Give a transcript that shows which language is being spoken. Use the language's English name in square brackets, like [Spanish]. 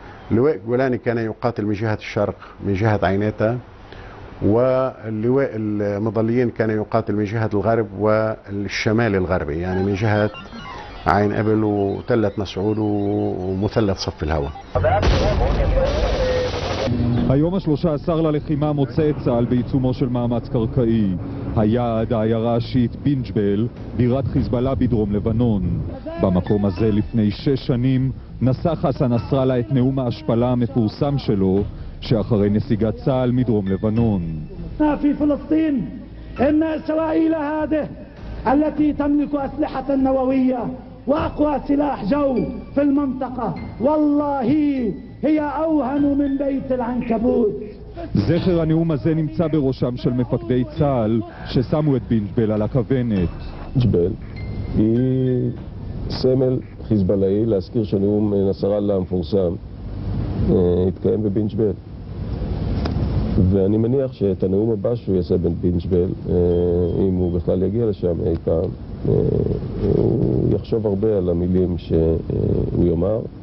[Arabic] لواء جولاني كان يقاتل من جهة الشرق من جهة عينيتا، واللواء المظليين كان يقاتل من جهة الغرب والشمال الغربي، يعني من جهة عين أبل وتلة مسعود ومثلث صف الهواء. [Hebrew] היום ה-13 ללחימה מוצא צהל בעיצומו של מאמץ קרקעי. היעד, העיירה השיעית בנת ג'בל, בירת חיזבאללה בדרום לבנון. במקום הזה לפני 6 שנים נשא חסן נסראללה את נאום ההשפלה המפורסם שלו שאחרי נסיגת צהל מדרום לבנון. [Arabic] في فلسطين إن إسرائيل هذه التي تملك أسلحة نووية وأقوى سلاح جو في المنطقة والله هي أوهن من بيت العنكبوت. [Hebrew] זכר הנאום הזה נמצא בראשם של מפקדי צה"ל ששמו את בנת ג'בל על הכוונת. ג'בל היא סמל חיזבאללהי, להזכיר שנאום נסראללה המפורסם התקיים בבנת ג'בל, ואני מניח שאת הנאום הבא שהוא יעשה בבנת ג'בל, אם הוא בכלל יגיע לשם אי פעם, הוא יחשוב הרבה על המילים שהוא יאמר.